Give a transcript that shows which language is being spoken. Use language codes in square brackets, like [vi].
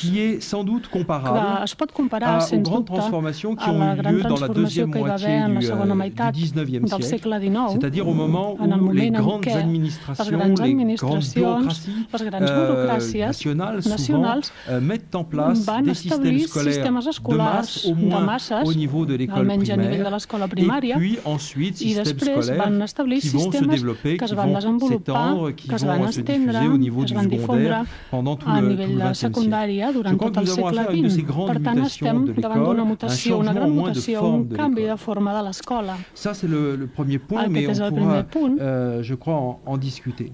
[fr] qui est sans doute comparable grandes transformations qui ont eu lieu dans la deuxième moitié du 19e siècle, c'est-à-dire au moment où les grandes administrations, les grandes bureaucraties nationales mettent en place des systèmes scolaires de masse, au moins au niveau de l'école primaire, et puis ensuite systèmes scolaires qui vont se développer, qui vont s'étendre, qui vont se diffuser au niveau du secondaire pendant tout le 20e siècle. Je crois que nous avons affaire à une de ces grandes mutations de l'école. [ca] Un canvi de forma de l'escola. [fr] Ça, c'est le premier point, mais on pourra, je crois, en discuter.